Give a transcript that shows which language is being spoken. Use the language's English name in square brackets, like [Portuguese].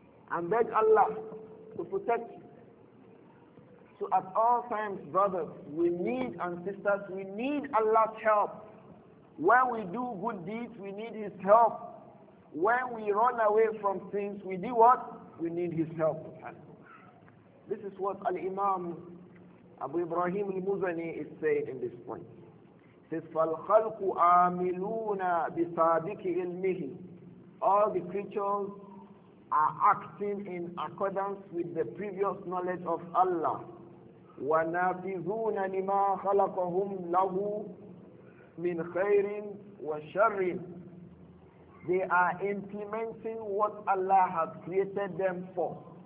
[English] And beg Allah to protect you. So at all times, brothers, we need, and sisters, we need Allah's help. When we do good deeds, we need His help. When we run away from things, we do what? We need His help. This is what Al-Imam Abu Ibrahim al-Muzani is saying in this point. He says, [Arabic] فَالْخَلْقُ عَامِلُونَ بِصَادِكِ عِلْمِهِ. [English] All the creatures are acting in accordance with the previous knowledge of Allah. [Arabic] وَنَافِذُونَ لِمَا خَلَقَهُمْ لَهُ مِنْ خَيْرٍ وَشَرٍ. [English] They are implementing what Allah has created them for.